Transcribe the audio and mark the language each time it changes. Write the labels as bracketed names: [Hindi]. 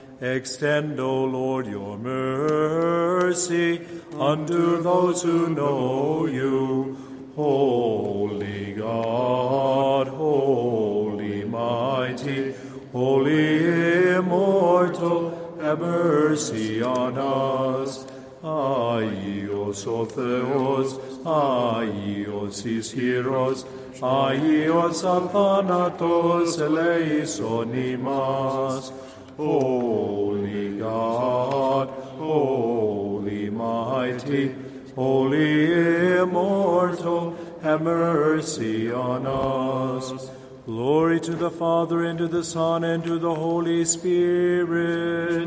[English] Extend, O Lord, your mercy unto those who know you. Holy God, holy mighty, holy immortal, have mercy on us. [Greek] Αγίος ο Θεός, Αγίος Ισχυρός, Αγίος Αθάνατος, ελέησον ημάς. [English] Holy God, Holy Mighty, Holy Immortal, have mercy on us. Glory to the Father, and to the Son, and to the Holy Spirit,